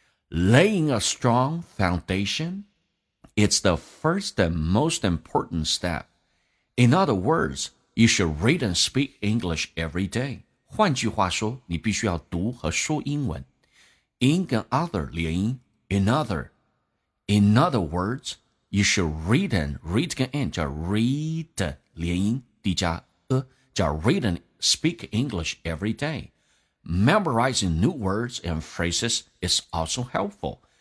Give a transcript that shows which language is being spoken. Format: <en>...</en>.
<en>Laying a strong foundation, it's the first and most important step. In other words, you should read and speak English every day.</en> <zh>换句话说，你必须要读和说英文。</zh> <en>In 跟 other 连音， In other words, you should read 跟 and 叫 read 连音， D 加 a 叫 read andSpeak English every day. Memorizing new words and phrases is also helpful.</en>